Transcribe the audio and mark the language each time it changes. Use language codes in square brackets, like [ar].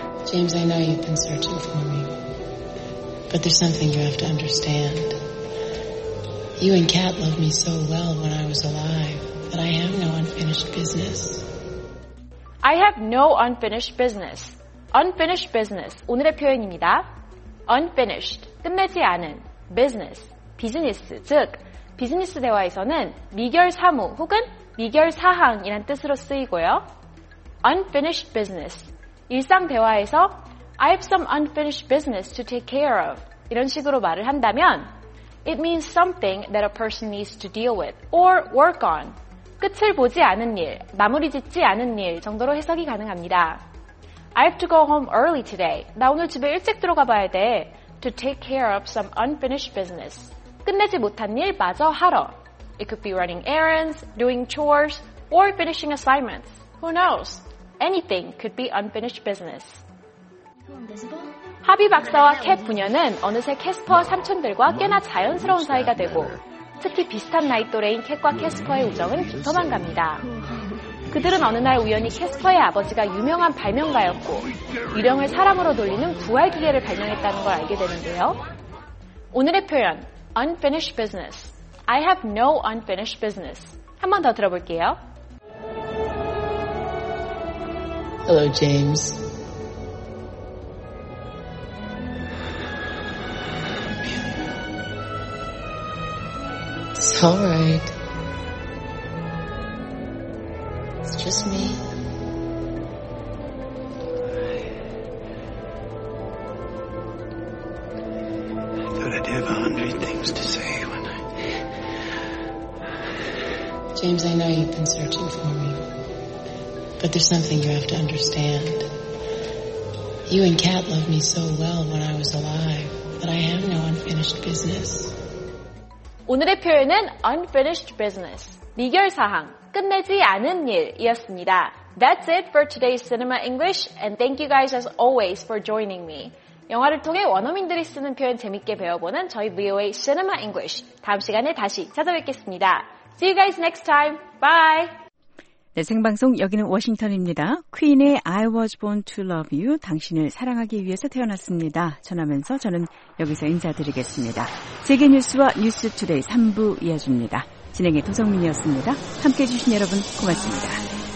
[en] James. James, I know you've been searching for me. But there's something you have to understand. You and Kat loved me so well when I was alive that I have no unfinished business. I have no unfinished business. [ko] Unfinished business, 오늘의 표현입니다. Unfinished, 끝내지 않은, business, business, 즉, 비즈니스 대화에서는 미결 사무 혹은 미결 사항이란 뜻으로 쓰이고요. [en] Unfinished business, [ko] 일상 대화에서 [en] I have some unfinished business to take care of, [ko] 이런 식으로 말을 한다면 [en] It means something that a person needs to deal with or work on. [ko] 끝을 보지 않은 일, 마무리 짓지 않은 일 정도로 해석이 가능합니다. [en] I have to go home early today. [ko] 나 오늘 집에 일찍 들어가 봐야 돼. [en] To take care of some unfinished business. [ko] 끝내지 못한 일 마저 하러. [en] It could be running errands, doing chores, or finishing assignments. Who knows? Anything could be unfinished business. [ko] 하비 박사와 캣 부녀는 어느새 캐스퍼 삼촌들과 꽤나 자연스러운 사이가 되고 특히 비슷한 나이 또래인 캣과 캐스퍼의 우정은 깊어만 갑니다. 그들은 어느 날 우연히 캐스퍼의 아버지가 유명한 발명가였고 유령을 사람으로 돌리는 부활기계를 발명했다는 걸 알게 되는데요. 오늘의 표현, unfinished business. [en] I have no unfinished business. [ko] 한 번 더 들어볼게요. [en] Hello, James. It's all right. It's just me. I thought I'd have 100 things to say when I... James, I know you've been searching for me. But there's something you have to understand. You and Kat loved me so well when I was alive that I have no unfinished business. [ko] 오늘의 표현은 unfinished business, 미결사항, 끝내지 않은 일이었습니다. [en] That's it for today's Cinema English, and thank you guys as always for joining me. [ko] 영화를 통해 원어민들이 쓰는 표현 재밌게 배워보는 저희 VOA Cinema English, 다음 시간에 다시 찾아뵙겠습니다. [en] See you guys next time. Bye! [ko] 네, 생방송 여기는 워싱턴입니다. 퀸의 I was born to love you, 당신을 사랑하기 위해서 태어났습니다. 전하면서 저는 여기서 인사드리겠습니다. 세계 뉴스와 뉴스 투데이 3부 이어집니다. 진행의 도성민이었습니다. 함께 해주신 여러분 고맙습니다.